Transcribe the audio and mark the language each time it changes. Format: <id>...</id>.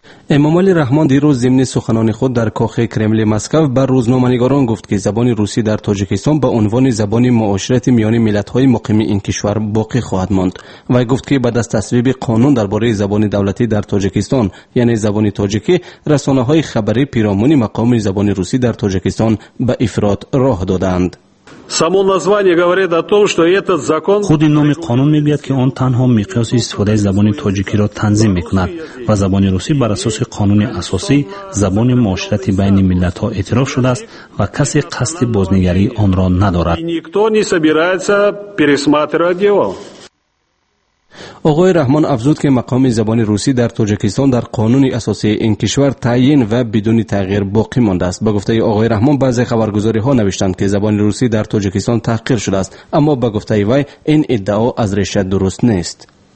<fa>امام علی رحمان دیروز ضمن سخنان خود در کاخ کرمل مسکو بر روزنامه‌نگاران گفت که زبان روسی در تاجیکستان به عنوان زبان معاشرت میان ملت‌های مقیم این کشور باقی خواهد ماند و گفت که بعد از تصویب قانون درباره زبان دولتی در تاجیکستان یعنی زبان تاجیکی، رسانه‌های خبری پیرامون مقام زبان روسی در تاجیکستان به افراط راه دادند.</fa> <ru>само название говорит о том что этот закон</ru> <tg>худи номи қонун мегӯяд ки он танҳо миқёси истифодаи забони тоҷикиро танзим мекунад ва забони русӣ бар асоси қонуни асосӣ забони муоширати байни миллатҳо эътироф шудааст ва касе қасди бознигарии онро надорад</tg> <ru>никто не собирается пересматривать его.</ru> <fa>آقای رحمان افزود که مقام زبان روسی در تاجیکستان در قانون اساسی این کشور تعیین و بدون تغییر باقی مانده است. با گفته آقای رحمان بعضی خبرگزاری ها نوشتند که زبان روسی در تاجیکستان تحقیر شده است، اما با گفته وی این ادعا از ریشه درست نیست.</fa>